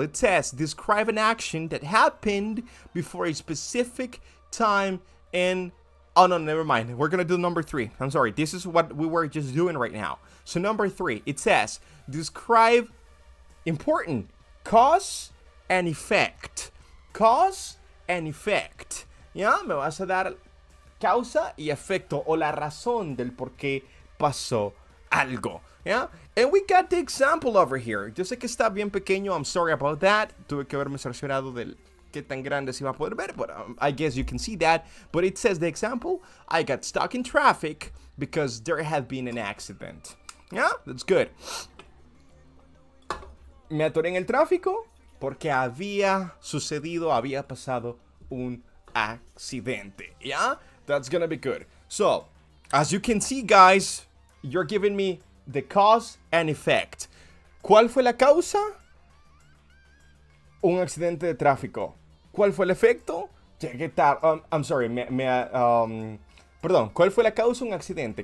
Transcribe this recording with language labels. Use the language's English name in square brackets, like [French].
[English] It says, describe an action that happened before a specific time in... Oh, no, never mind. We're going to do number three. I'm sorry. This is what we were just doing right now. So, number three, it says, describe important cause and effect. Cause and effect. Ya, yeah? [Spanish] Me vas a dar causa y efecto, o la razón del por qué pasó algo. [English] Yeah, and we got the example over here. [Spanish] Yo sé que está bien pequeño. [English] I'm sorry about that. [Spanish] Tuve que haberme cerciorado del qué tan grande se iba a poder ver, [English] but I guess you can see that. But it says the example, I got stuck in traffic because there had been an accident. Yeah, that's good. [Spanish] Me atoré en el tráfico porque había sucedido, había pasado un accidente. [English] Yeah, that's gonna be good. So, as you can see, guys, you're giving me the cause and effect. [Spanish] ¿Cuál fue la causa? Un accidente de tráfico. ¿Cuál fue el efecto? Llegué tarde. [English] I'm sorry. [Spanish] Perdón. ¿Cuál fue la causa? Un accidente.